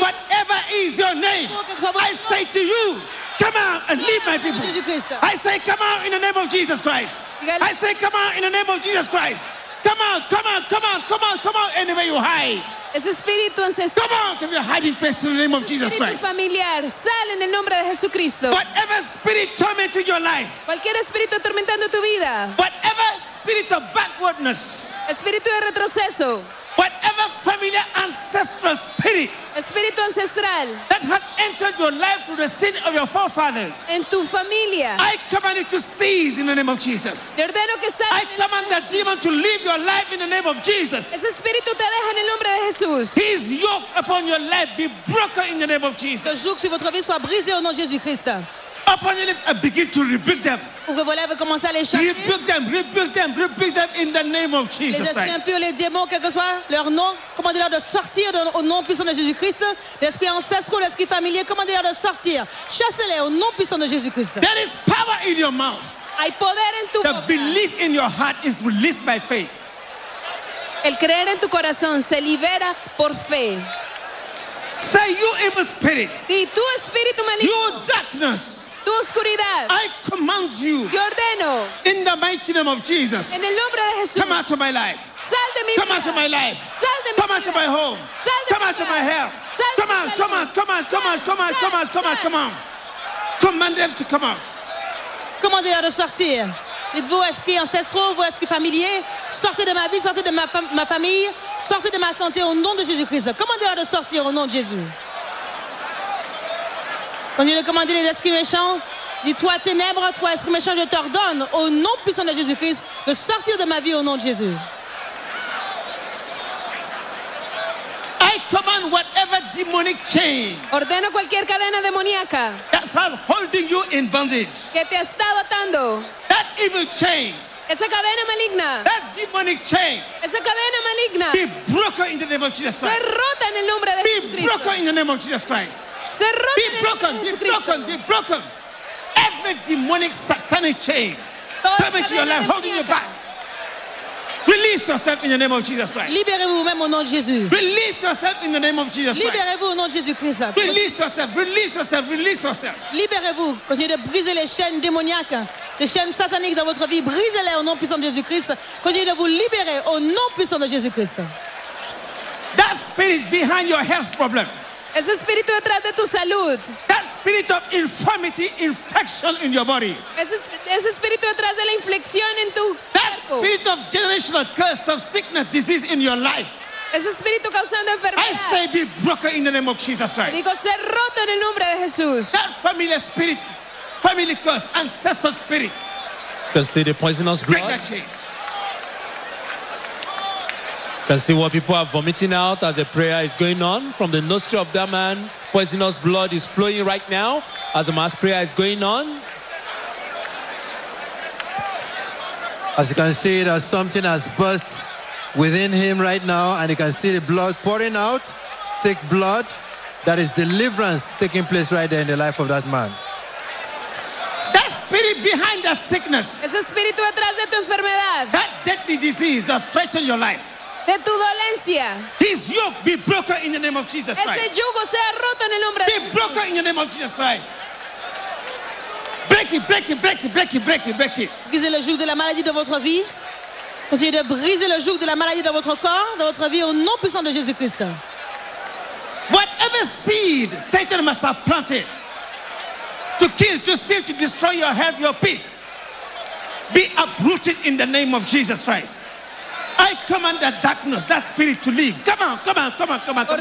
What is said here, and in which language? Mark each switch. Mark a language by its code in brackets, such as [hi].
[en] Whatever is your name, I say to you, come out and leave my people. Jésus Christ. I say, come out in the name of Jesus Christ. I say, come out in the name of Jesus Christ. Come out, come out, come out, come out, come out anywhere you hide. [es] Ese espíritu ancestral. [en] Come out of your hiding place in the name of Jesus Christ. [es] Espíritu familiar, sal en el nombre de Jesucristo. [en] Whatever spirit tormenting your life. [es] Cualquier espíritu atormentando tu vida. [en] Whatever spirit of backwardness. [es] Espíritu de retroceso. [en] Whatever familiar ancestral spirit. [es] Espíritu ancestral. [en] That had entered your life through the sin of your forefathers. [es] En tu familia. [en] I command it to cease in the name of Jesus. [es] Le ordeno que salga. [en] I command that demon to leave your life in the name of Jesus. [es] Ese espíritu te deja en el nombre de Jesús. [en] His yoke upon your life be broken in the name of Jesus. [fr] Le joug sur votre vie soit brisé au nom de Jésus-Christ. [en] Upon your lips and begin to rebuild them. [fr] Ouvrez vos lèvres et commencez à les chasser. [en] Rebuild them, rebuild them, rebuild them in the name of Jesus Christ. [fr] Les esprits impurs, les démons, quel que soit leur nom, commandez-leur de sortir au nom puissant de Jésus Christ. L'esprit ancestral, l'esprit familier, commandez-leur de sortir. Chassez-les au nom puissant de Jésus Christ. [en] There is power in your mouth. [es] Hay poder en tu boca. [en] The belief in your heart is released by faith. [es] El creer en tu corazón se libera por fe. [en] Say, you evil spirit. [es] Di, tu espíritu maligno. [en] You darkness. [es] Tu oscuridad. [en] I command you. [es] Te ordeno. [en] In the mighty name of Jesus. [es] En el nombre de Jesús. [en] Come out of my life. [es] Sal de mi [en] come [es] vida. [en] Out of my life. [es] Sal de mi [en] come [es] vida. [en] Out of my home. [es] Sal de [en] come [es] mi [en] out of my health. [es] Sal [en] come out, come out, come out, come out, come out, come out, come out, come out. Command them to come out. [fr] Commandez-leur de sortir. Dites-vous, esprit ancestraux, vous esprit familier, sortez de ma vie, sortez de ma famille, sortez de ma santé au nom de Jésus-Christ. Commandez-leur de sortir au nom de Jésus. Quand il a commandé les esprits méchants, il dit, toi ténèbres, toi esprit méchant, je t'ordonne au nom puissant de Jésus-Christ de sortir de ma vie au nom de Jésus. [en] I command whatever demonic chain. [es] Ordeno cualquier cadena demoníaca. [en] That's not holding you in bondage. [es] Que te está atando. [en] That evil chain. [es] Esa cadena maligna. [en] That demonic chain. [es] Esa cadena maligna. [en] Be broken in the name of Jesus Christ. [es] Se rota en el nombre de Jesucristo. [en] Be broken in the name of Jesus Christ. [es] Se rota [en] be broken, be broken, be broken. Every demonic satanic chain coming to your life, holding you back. Release yourself in the name of Jesus Christ. [fr] Libérez-vous même au nom de Jésus. [en] Release yourself in the name of Jesus Christ. [fr] Libérez-vous au nom de Jésus Christ. [en] Release yourself, release yourself, release yourself. [fr] Libérez-vous. Continuez de briser les chaînes démoniaques, les chaînes sataniques dans votre vie. Brisez-les au nom puissant de Jésus Christ. Continuez de vous libérer au nom puissant de Jésus Christ. [en] That spirit behind your health problem. [es] Ese espíritu detrás de tu salud. [en] That spirit of infirmity, infection in your body. [es] Ese espíritu detrás de la inflexión en tu cuerpo. [en] That spirit of generational curse of sickness, disease in your life. [es] Ese espíritu causando enfermedad. [en] I say be broken in the name of Jesus Christ. [es] Digo ser roto en el nombre de Jesús. [en] That family spirit, family curse, ancestral spirit. You can see the poisonous blood. Break that chain. Can see what people are vomiting out as the prayer is going on from the nostril of that man. Poisonous blood is flowing right now as the mass prayer is going on. As you can see, there's something has burst within him right now, and you can see the blood pouring out, thick blood. That is deliverance taking place right there in the life of that man. Spirit behind that sickness. [es] Ese espíritu detrás de tu enfermedad. [en] That deadly disease that threatens your life. [es] De tu dolencia. [en] His yoke be broken in the name of Jesus Christ. [es] Ese yugo sea roto en el nombre de Jesús. [en] Be broken in the name of Jesus Christ. Break it, break it, break it, break it, break it, break it. [fr] Brisez le joug de la maladie de votre vie. Continuez de briser le joug de la maladie de votre corps, de votre vie au nom puissant de Jésus Christ. [en] Whatever seed Satan must have planted to kill, to steal, to destroy your health, your peace, be uprooted in the name of Jesus Christ. I command that darkness, that spirit to leave. Come on, come on, come on, come on, come on.